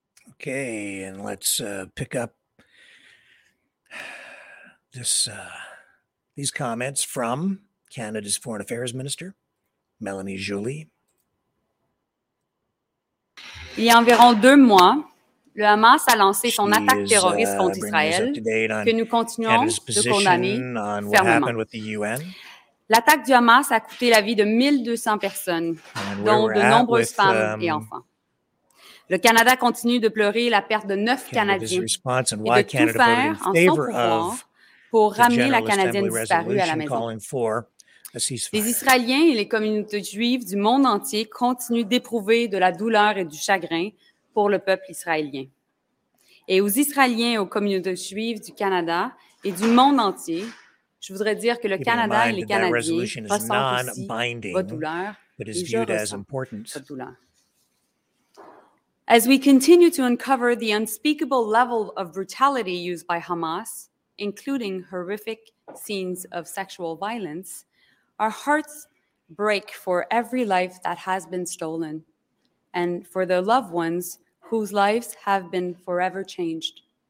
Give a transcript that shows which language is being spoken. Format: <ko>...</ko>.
<en>Okay, and let's pick up this these comments from Canada's Foreign Affairs Minister, Mélanie Joly.</en> <fr>Il y a environ deux mois, le Hamas a lancé son attaque terroriste contre Israël, que nous continuons de condamner fermement. L'attaque du Hamas a coûté la vie de 1200 personnes, dont de nombreuses femmes et enfants. Le Canada continue de pleurer la perte de 9 Canadiens et de tout faire en son pouvoir pour ramener la Canadienne disparue à la maison. Les Israéliens et les communautés juives du monde entier continuent d'éprouver de la douleur et du chagrin pour le peuple israélien. Et aux Israéliens et aux communautés juives du Canada et du monde entier, je voudrais dire que le Canada et les Canadiens ressentent aussi votre douleur et je ressens votre douleur.</fr> <en>As we continue to uncover the unspeakable level of brutality used by Hamas, including horrific scenes of sexual violence, our hearts break for every life that has been stolen and for the loved ones whose lives have been forever changed.</en>